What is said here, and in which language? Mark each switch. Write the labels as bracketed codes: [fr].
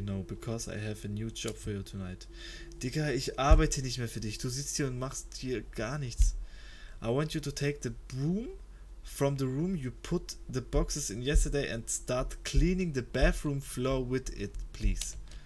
[en] No, because I have a new job for you tonight. [de] Digga, ich arbeite nicht mehr für dich. Du sitzt hier und machst hier gar nichts. [en] I want you to take the broom from the room you put the boxes in yesterday and start cleaning the bathroom floor with it, please.